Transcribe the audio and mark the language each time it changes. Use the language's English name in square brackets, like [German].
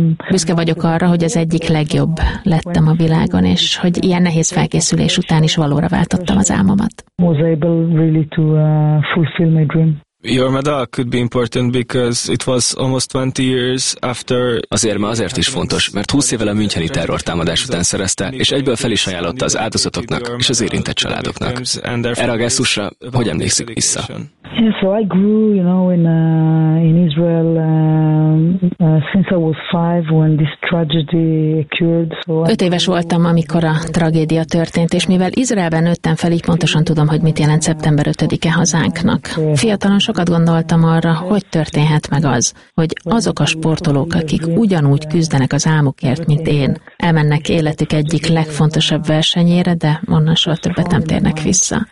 [Hungarian] Büszke vagyok arra, hogy az egyik legjobb lettem a világon, és hogy ilyen nehéz felkészülés után is valóra váltottam az álmomat. [English] Your medal could be important because it was almost 20 years after. [Hungarian] Azért, mert azért is fontos, mert 20 évvel a müncheni terror támadás után szerezte, és egyből fel is ajánlotta az áldozatoknak és az érintett családoknak. Erre a gesztusra hogy emlékszik vissza? [English] Yeah, so I grew, you know, in Israel since I was 5 when this tragedy occurred. [Hungarian] 5 éves voltam, amikor a tragédia történt, és mivel Izraelben nőttem fel, így pontosan tudom, hogy mit jelent szeptember 5-e hazánknak. Fiatalon sokat gondoltam arra, hogy történhet meg az, hogy azok a sportolók, akik ugyanúgy küzdenek az álmukért, mint én, elmennek életük egyik legfontosabb versenyére, de onnan soha többet nem térnek vissza.